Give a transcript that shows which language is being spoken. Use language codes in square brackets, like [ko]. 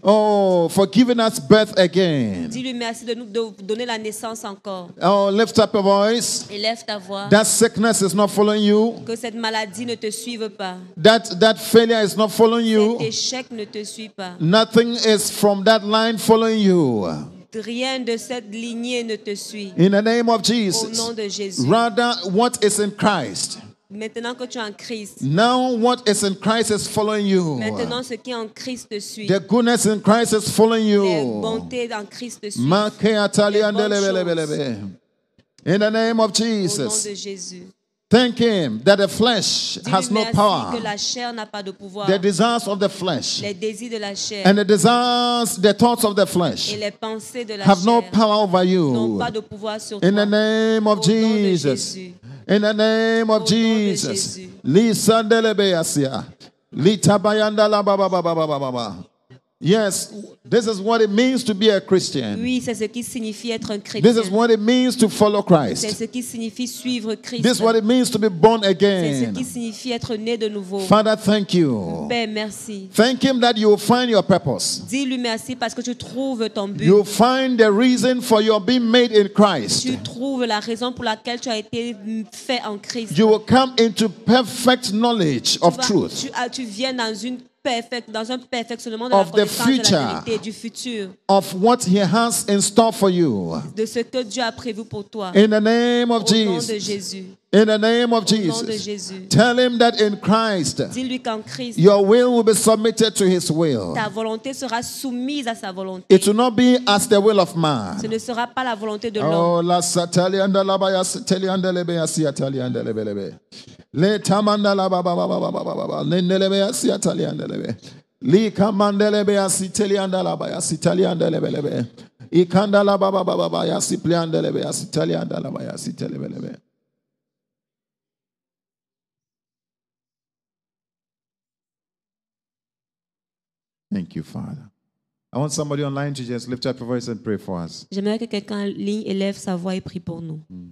[en] Oh, for giving us birth again. [fr] Dis-lui merci de nous donner la naissance encore. [en] Oh, lift up your voice. [fr] Et lève ta voix. [en] That sickness is not following you. [fr] Que cette maladie ne te suive pas. [en] That failure is not following you. [fr] Cet échec ne te suit pas. [en] Nothing is from that line following you. [fr] Rien de cette lignée ne te suit. [en] In the name of Jesus. [fr] Au nom de Jésus. [en] Rather, what is in Christ? [fr] Maintenant que tu es en Christ. [en] Now what is in Christ is following you. [fr] Maintenant ce qui est en Christ te suit. [en] The goodness in Christ is following you. [fr] La bonté en Christ te suit. [en] In the name of Jesus. [fr] Au nom de Jésus. [en] Thank him that the flesh has no power. [fr] Que la chair n'a pas de pouvoir. [en] The desires of the flesh. [fr] Les désirs de la chair. [en] And the desires, the thoughts of the flesh. [fr] Et les pensées de la [en] have [fr] chair [en] no power over you. [fr] N'ont pas de pouvoir sur [en] In [fr] toi. [en] The name of [fr] Au [en] Jesus. [fr] Nom de Jésus. [en] In the name of [fr] Au [en] Jesus. [fr] Nom de Jésus. [en] Yes, this is what it means to be a Christian. [fr] Oui, c'est ce qui signifie être un chrétien. [en] This is what it means to follow Christ. [fr] C'est ce qui signifie suivre Christ. [en] This is what it means to be born again. [fr] C'est ce qui signifie être né de nouveau. [en] Father, thank you. [fr] Père, merci. [en] Thank him that you will find your purpose. [fr] Dis-lui merci parce que tu trouves ton but. [en] You find the reason for your being made in Christ. [fr] Tu trouves la raison pour laquelle tu as été fait en Christ. [en] You will come into perfect knowledge of truth. [fr] Tu viens dans une perfect, dans un perfectionnement de la connaissance [en] of the future, [fr] de la vérité, du futur, [en] of what he has in store for you, [fr] de ce que Dieu a prévu pour toi, [en] in the name of [fr] au [en] Jesus, [fr] nom de Jésus, [en] in the name of [fr] au [en] Jesus, [fr] nom de Jésus, [en] tell him that in Christ, [fr] dis-lui qu'en Christ, [en] your will be submitted to his will, [fr] ta volonté sera soumise à sa volonté, [en] it will not be as the will of man, [fr] ce ne sera pas la volonté de l'homme. Oh, la Le tamanda la ba ba ba ba ba ba ba ba ba. Le nelebe asi italian delebe. Li kamanda lebe asi italian la ba ya italian delebe lebe. Ikanda la ba ba ba ba ba ya italian delebe ya italian la ba ya italian lebe. [en] Thank you, Father. I want somebody online to just lift up your voice and pray for us. [fr] J'aimerais que quelqu'un en ligne élève sa voix et prie pour nous.